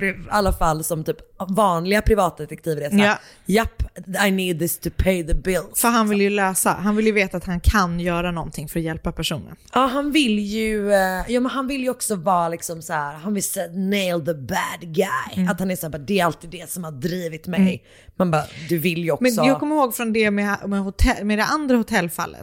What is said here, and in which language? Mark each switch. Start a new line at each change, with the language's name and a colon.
Swedish: Alla fall som typ vanliga privatdetektiver är så här, yeah.
English: Japp, I need this to pay the bills.
Swedish: För han vill ju lösa, han vill ju veta att han kan göra någonting för att hjälpa personen. Ja, han vill ju, ja, men han vill ju också vara liksom så här, han vill säga
English: nail the bad guy.
Swedish: Mm. Att han är så här, det är alltid det som har drivit mig. Mm. Man bara, du vill ju också. Men jag kommer ihåg från det med det andra hotellfallet,